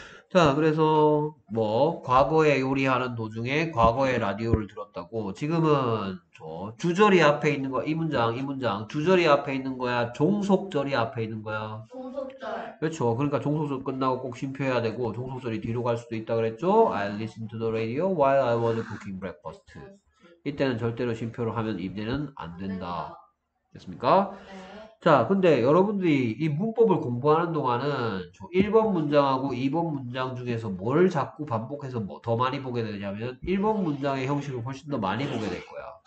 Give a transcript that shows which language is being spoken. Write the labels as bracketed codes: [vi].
[ko] 자, 그래서 뭐 과거에 요리하는 도중에 과거에 라디오를 들었다고. 지금은 주저리 앞에 있는 거, 이 문장 주저리 앞에 있는 거야, 종속절이 앞에 있는 거야. 종속절. 그렇죠. 그러니까 종속절 끝나고 꼭 쉼표해야 되고 종속절이 뒤로 갈 수도 있다 그랬죠. [en] I listened to the radio while I was cooking breakfast. [ko] 이때는 절대로 쉼표로 하면 입대는 안 된다. 됐습니까? 자, 근데 여러분들이 이 문법을 공부하는 동안은 1번 문장하고 2번 문장 중에서 뭘 자꾸 반복해서 뭐더 많이 보게 되냐면 1번 문장의 형식을 훨씬 더 많이 보게 될 거야.